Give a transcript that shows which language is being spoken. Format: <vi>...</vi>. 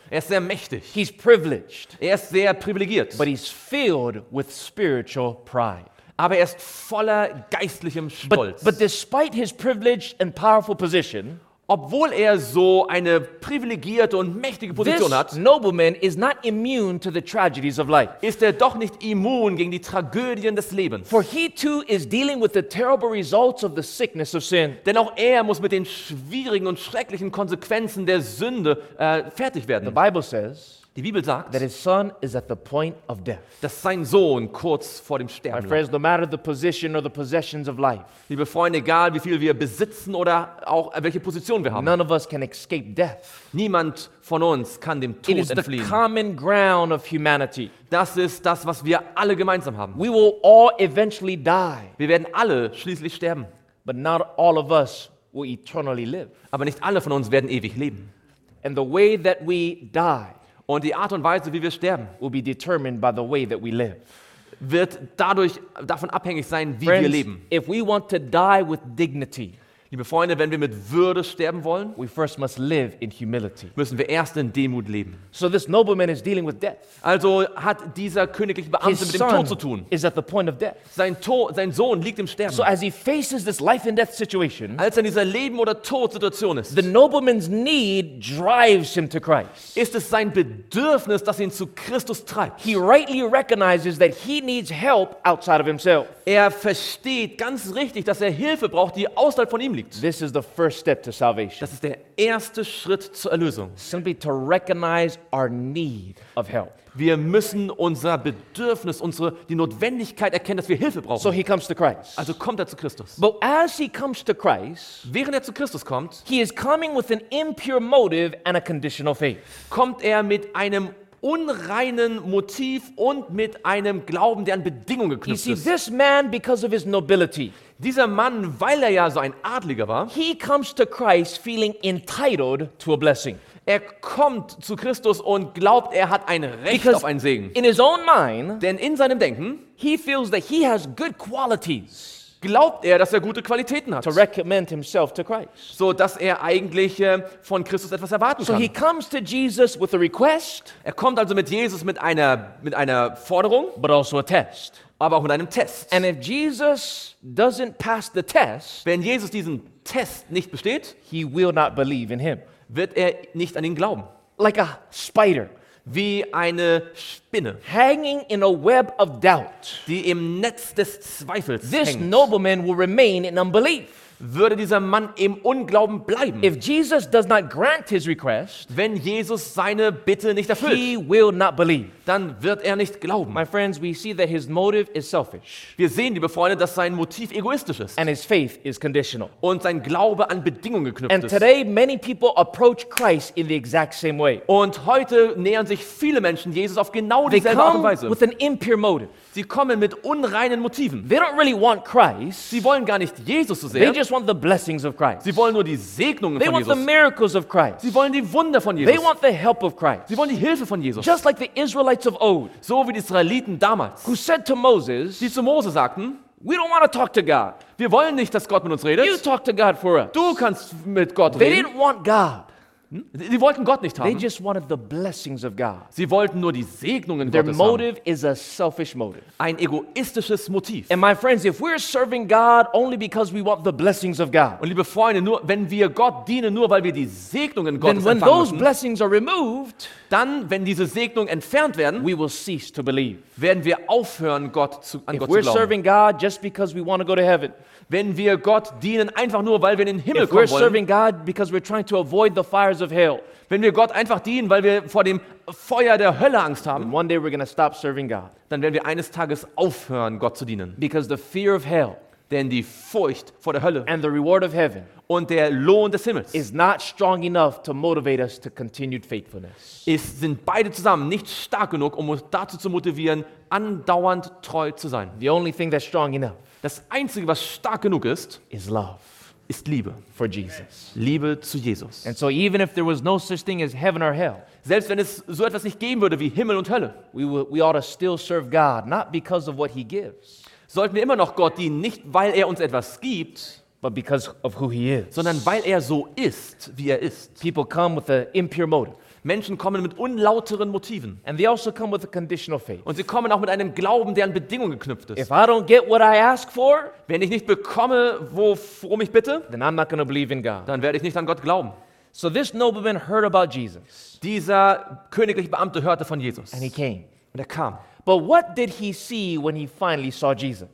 <de>Er ist sehr mächtig.</de> <en>He's privileged.</en> <de>Er ist sehr privilegiert.</de> <en>But he's filled with spiritual pride.</en> <de>Aber er ist voller geistlichem Stolz.</de> <en>But despite his privileged and powerful position,</en> <de>obwohl er so eine privilegierte und mächtige Position hat,</de> <en>nobleman is not immune to the tragedies of life.</en> <de>Ist er doch nicht immun gegen die Tragödien des Lebens?</de> <en>For he too is dealing with the terrible results of the sickness of sin.</en> <de>Denn auch er muss mit den schwierigen und schrecklichen Konsequenzen der Sünde fertig werden.</de> <en>The Bible says,</en> <de>die Bibel sagt,</de> <en>that his son is at the point of death.</en> <de>Dass sein Sohn kurz vor dem Sterben lag.</de> <en>No matter the position or the possessions of life.</en> <de>Liebe Freunde, egal wie viel wir besitzen oder auch welche Position wir haben.</de> <en>None of us can escape death.</en> <de>Niemand von uns kann dem Tod entfliehen.</de> <en>It is the common ground of humanity.</en> <de>Das ist das, was wir alle gemeinsam haben.</de> <en>We will all eventually die.</en> <de>Wir werden alle schließlich sterben.</de> <en>But not all of us will eternally live.</en> <de>Aber nicht alle von uns werden ewig leben.</de> <en>And the way that we die.</en> <de>Und die Art und Weise, wie wir sterben,</de> <en>will be determined by the way that we live.</en> <de>Wird dadurch davon abhängig sein, wie</de> <en>Friends,</en> <de>wir leben.</de> <en>If we want to die with dignity,</en> <de>liebe Freunde, wenn wir mit Würde sterben wollen,</de> <en>we first must live in humility.</en> <de>Müssen wir erst in Demut leben.</de> <en>So this nobleman is dealing with death.</en> <de>Also hat dieser königliche Beamte</de> <en>His</en> <de>mit dem Tod zu tun.</de> <en>Is at the point of death.</en> <de>Sein Sohn liegt im Sterben.</de> <en>So as he faces this life and death situation,</en> <de>als er in dieser Leben- oder Todsituation ist,</de> <en>the nobleman's need drives him to Christ.</en> <de>Ist es sein Bedürfnis, das ihn zu Christus treibt.</de> <en>He rightly recognizes that he needs help outside of himself.</en> <de>Er versteht ganz richtig, dass er Hilfe braucht, die außerhalb von ihm liegt.</de> <en>This is the first step to salvation.</en> <de>Das ist der erste Schritt zur Erlösung.</de> <en>Simply to recognize our need of help.</en> <de>Wir müssen unser Bedürfnis, die Notwendigkeit erkennen, dass wir Hilfe brauchen.</de> <en>So he comes to Christ.</en> <de>Also kommt er zu Christus.</de> <en>But as he comes to Christ,</en> <de>während er zu Christus kommt,</de> <en>he is coming with an impure motive and a conditional faith.</en> <de>Kommt er mit einem unreinen Motiv und mit einem Glauben, der an Bedingungen geknüpft ist.</de> <en>You see, this man, because of his nobility,</en> <de>dieser Mann, weil er ja so ein Adliger war,</de> <en>he comes to Christ feeling entitled to a blessing.</en> <de>Er kommt zu Christus und glaubt, er hat ein Recht</de> <en>Because</en> <de>auf einen Segen.</de> <en>In his own mind,</en> <de>denn in seinem Denken,</de> <en>he feels that he has good qualities.</en> <de>Glaubt er, dass er gute Qualitäten hat?</de> <en>To recommend himself to Christ.</en> <de>So dass er eigentlich von Christus etwas erwarten kann.</de> <en>So he comes to Jesus with a request.</en> <de>Er kommt also mit Jesus mit einer Forderung,</de> <en>but also a test.</en> <de>Aber auch mit einem Test.</de> <en>And if Jesus doesn't pass the test,</en> <de>wenn Jesus diesen Test nicht besteht,</de> <en>he will not believe in him.</en> <de>Wird er nicht an ihn glauben.</de> <en>Like a spider.</en> <de>Wie eine Spinne.</de> <en>Hanging in a web of doubt.</en> <de>Die im Netz des Zweifels</de> <en>this</en> <de>hängt.</de> <en>This nobleman will remain in unbelief.</en> <de>Würde dieser Mann im Unglauben bleiben.</de> <en>If Jesus does not grant his request,</en> <de>wenn Jesus seine Bitte nicht erfüllt,</de> <en>he will not believe.</en> <de>Dann wird er nicht glauben.</de> <en>My friends, we see that his motive is selfish.</en> <de>Wir sehen, liebe Freunde, dass sein Motiv egoistisch ist.</de> <en>And his faith is conditional.</en> <de>Und sein Glaube an Bedingungen geknüpft</de> <en>And</en> <de>ist.</de> <en>Today, many people approach Christ in the exact same way.</en> <de>Und heute nähern sich viele Menschen Jesus auf genau dieselbe</de> <en>They come</en> <de>Art und Weise.</de> <en>With an impure motive.</en> <de>Sie kommen mit unreinen Motiven.</de> <en>They don't really want Christ.</en> <de>Sie wollen gar nicht Jesus so sehr.</de> <en>They just want the blessings of Christ.</en> <de>Sie wollen nur die Segnungen</de> <en>They</en> <de>von</de> <en>want</en> <de>Jesus.</de> <en>The miracles of Christ.</en> <de>Sie wollen die Wunder von Jesus.</de> <en>They want the help of Christ.</en> <de>Sie wollen die Hilfe von Jesus.</de> <en>Just like the Israelites of old.</en> <de>So wie die Israeliten damals.</de> <en>Who said to Moses,</en> <de>die zu Mose sagten,</de> <en>We don't want to talk to God.</en> <de>Wir wollen nicht, dass Gott mit uns redet.</de> <en>You talk to God for us.</en> <de>Du kannst mit Gott</de> <en>They</en> <de>reden.</de> <en>Didn't want God.</en> <de>Sie wollten Gott nicht haben.</de> <en>They just wanted the blessings of God.</en> <de>Sie wollten nur die Segnungen</de> <en>Their</en> <de>Gottes</de> <en>motive</en> <de>haben.</de> <en>Is a selfish motive.</en> <de>Ein egoistisches Motiv.</de> <en>And my friends, if we're serving God only because we want the blessings of God.</en> <de>Und liebe Freunde, nur wenn wir Gott dienen, nur weil wir die Segnungen Gottes empfangen,</de> <en>those</en> <de>müssen,</de> <en>blessings are removed,</en> <de>dann wenn diese Segnungen entfernt werden,</de> <en>we will cease to believe.</en> <de>Werden wir aufhören, Gott zu glauben.</de> <en>If we're serving God just because we want to go to heaven.</en> <de>Wenn wir Gott dienen einfach nur, weil wir in den Himmel kommen wollen.</de> <en>If we're serving God because we're trying to avoid the fires of hell.</en> <de>Wenn wir Gott einfach dienen, weil wir vor dem Feuer der Hölle Angst haben.</de> <en>One day we're going to stop serving God.</en> <de>Dann werden wir eines Tages aufhören, Gott zu dienen.</de> <en>Because the fear of hell.</en> <de>Denn die Furcht vor der Hölle.</de> <en>And the reward of heaven.</en> <de>Und der Lohn des Himmels.</de> <en>Is not strong enough to motivate us to continued faithfulness.</en> <de>Sind beide zusammen nicht stark genug, um uns dazu zu motivieren, andauernd treu zu sein.</de> <en>The only thing that's strong enough.</en> <de>Das Einzige, was stark genug ist,</de> <en>is love.</en> <de>Ist Liebe.</de> <en>For Jesus.</en> <de>Liebe zu Jesus.</de> <en>And so even if there was no such thing as heaven or hell,</en> <de>selbst wenn es so etwas nicht geben würde wie Himmel und Hölle,</de> <en>we ought to still serve God, not because of what he gives.</en> <de>Sollten wir immer noch Gott dienen, nicht weil er uns etwas gibt,</de> <en>but because of who he is.</en> <de>Sondern weil er so ist, wie er ist.</de> <en>People come with an impure motive.</en> <de>Menschen kommen mit unlauteren Motiven.</de> <en>And they also come with a conditional faith.</en> <de>Und sie kommen auch mit einem Glauben, der an Bedingungen geknüpft ist.</de> <en>If I don't get what I ask for,</en> <de>wenn ich nicht bekomme, worum ich bitte,</de> <en>then I'm not gonna believe in God.</en> <de>Dann werde ich nicht an Gott glauben.</de> <en>So this nobleman heard about Jesus.</en> <de>Dieser königliche Beamte hörte von Jesus.</de> <en>And he came.</en> <de>Und er kam.</de> <en>But what did he see when he finally saw Jesus?</en>